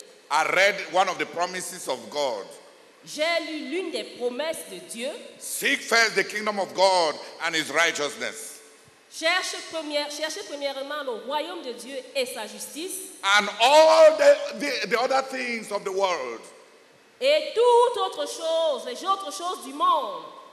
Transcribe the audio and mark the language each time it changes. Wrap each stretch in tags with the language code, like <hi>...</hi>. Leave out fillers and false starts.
<en>I read one of the promises of God.</en> <fr>J'ai lu l'une des promesses de Dieu.</fr> <en>Seek first the kingdom of God and his righteousness.</en> <fr>Cherchez premièrement le royaume de Dieu et sa justice.</fr> <en>And all the other things of the world.</en> <fr>Et toute autre chose, les autres choses du monde.</fr>